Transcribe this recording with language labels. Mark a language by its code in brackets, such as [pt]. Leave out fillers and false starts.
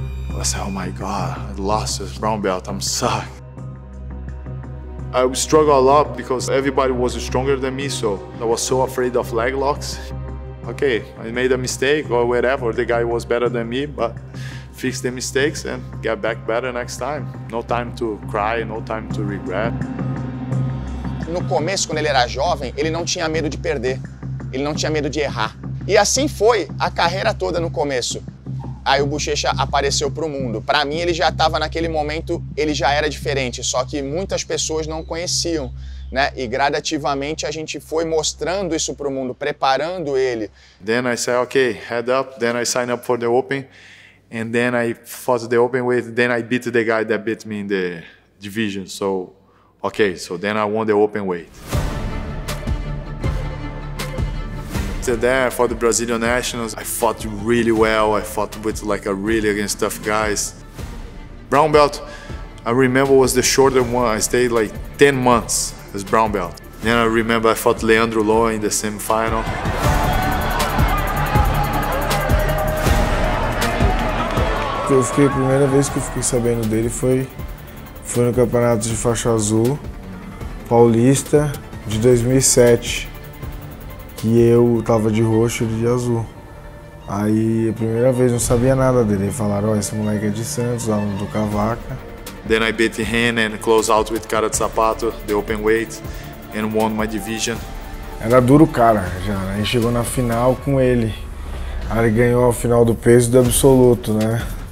[en] I was like, oh my God, I lost this brown belt, I'm suck. I struggled a lot because everybody was stronger than me, so I was so afraid of leg locks. Okay, I made a mistake or whatever, the guy was better than me, but fix the mistakes and get back better next time. No time to cry, no time to regret. [pt] No começo, quando ele era jovem, ele não tinha medo de perder. Ele não tinha medo de errar. E assim foi a carreira toda no começo. Aí o Buchecha apareceu pro mundo. Pra mim, ele já tava naquele momento, ele já era diferente. Só que muitas pessoas não conheciam, né? E gradativamente a gente foi mostrando isso pro mundo, preparando ele. [en] Then I said, okay, head up. Then I signed up for the open. And then I fought the open with, then I beat the guy that beat me in the division. So Okay, so then I won the open weight. There for the Brazilian Nationals, I fought really well. I fought with like a really against tough guys. Brown belt, I remember was the shorter one. I stayed like 10 months as brown belt. Then I remember I fought Leandro Loa in the semifinal. [pt] Eu fiquei, a primeira vez que eu fiquei sabendo dele foi no campeonato de faixa azul paulista de 2007. E eu tava de roxo e de azul. Aí, a primeira vez, não sabia nada dele. Falaram, oh, esse moleque é de Santos, aluno do Cavaca. [en] Then I beat him and close out with Cara de Sapato, the open weight, and won my division. [pt] Era duro o cara, já. A gente chegou na final com ele. Aí ele ganhou a final do peso do absoluto, né?